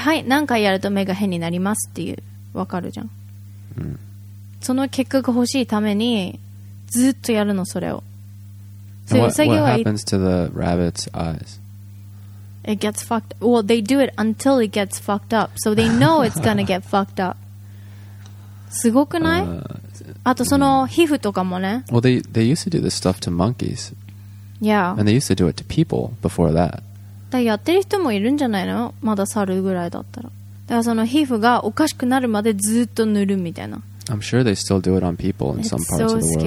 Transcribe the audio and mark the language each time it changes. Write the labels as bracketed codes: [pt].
[ja] それを何回も何回もやるの。目がおかしくなるまで。で、はい、何回やると目が変になりますっていう、わかるじゃん。その結果が欲しいために、ずっとやるの、それを。そう、ウサギは。 [en] What happens to the rabbit's eyes? It gets fucked. Well, they do it until it gets fucked up. So they know it's gonna get fucked up. [ja] すごくない? あとその皮膚とかもね。 [en] Well, they used to do this stuff to monkeys. Yeah. And they used to do it to people before that. [ja] だからやってる人もいるんじゃないの?まだ猿ぐらいだったら。だからその皮膚がおかしくなるまでずっと塗るみたいな。 [en] I'm sure they still do it on people in some parts of the world.